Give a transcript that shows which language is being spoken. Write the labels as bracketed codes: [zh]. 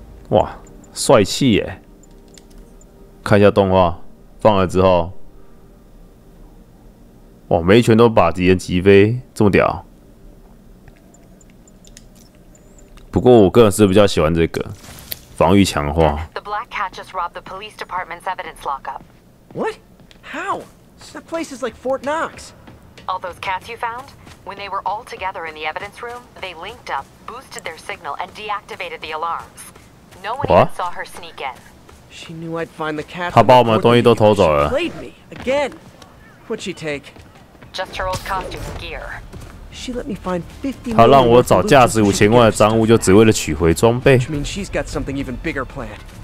[zh] 哇，帅气耶！看一下动画，放了之后，哇，每一拳都把敌人击飞，这么屌。不过我个人是比较喜欢这个。防御强化。 [en] The Black Cat just robbed the police department's evidence lockup. What? How? That place is like Fort Knox. All those cats you found? When they were all together in the evidence room, they linked up, boosted their signal, and deactivated the alarms. No one even saw her sneak in. She knew I'd find the cats. [zh] 她把我们的东西都偷走了。 [en] She played me again. What'd she take? Just her old costume and gear. She let me find 50. [zh] 她让我找价值5000万的赃物，就只为了取回装备。 [en] Which means she's got something even bigger planned.